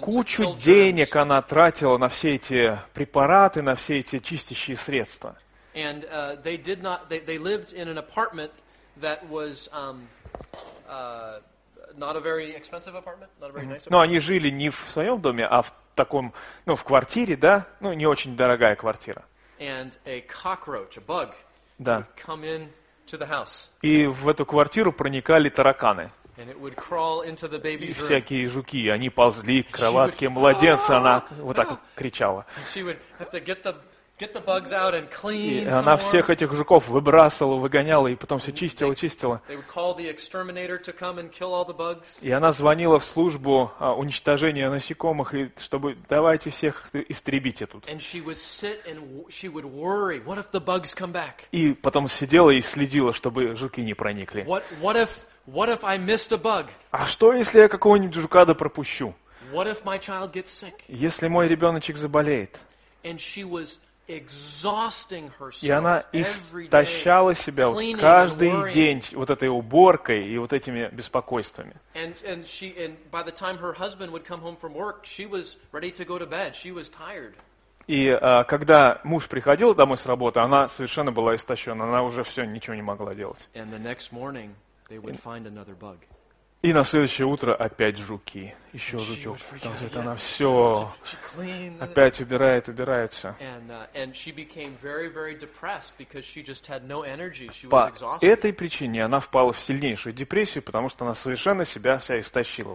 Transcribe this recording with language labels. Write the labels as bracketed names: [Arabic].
[Russian] кучу денег она тратила на все эти препараты, на все эти чистящие средства. [English] And they did not they lived in an apartment that was not a very expensive apartment, not a very nice apartment. [Russian] Но они жили не в своем доме, а в таком, ну, в квартире, да? Ну, не очень дорогая квартира. [English] And a cockroach, a bug, [Russian] да, [English] would come in to the house. [Russian] И в эту квартиру проникали тараканы. [English] And it would crawl into the baby's room. [Russian] И всякие жуки, они ползли к кроватке младенца, она вот так кричала. [English] She would have to get the bugs out and clean. [Russian] И она всех этих жуков выбрасывала, выгоняла и потом все чистила, чистила. [English] They would call the exterminator to come and kill all the bugs. [Russian] И она звонила в службу уничтожения насекомых, и чтобы давайте всех истребить тут. [English] And she would sit and she would worry, what if the bugs come back? [Russian] И потом сидела и следила, чтобы жуки не проникли. [English] What if I missed a bug? [Russian] А что если я какого-нибудь жука да пропущу? [English] What if my child gets sick? [Russian] Если мой ребеночек заболеет? [English] And she was exhausting herself. [Russian] И она истощала себя вот каждый день вот этой уборкой и вот этими беспокойствами. [English] And by the time her husband would come home from work, she was ready to go to bed. She was tired. [Russian] И когда муж приходил домой с работы, она совершенно была истощена. Она уже все ничего не могла делать. [English] And the next morning, they would find another bug. [Russian] И на следующее утро опять жуки. Еще жучок. Говорит, она все опять убирает, убирает все. По этой причине она впала в сильнейшую депрессию, потому что она совершенно себя вся истощила.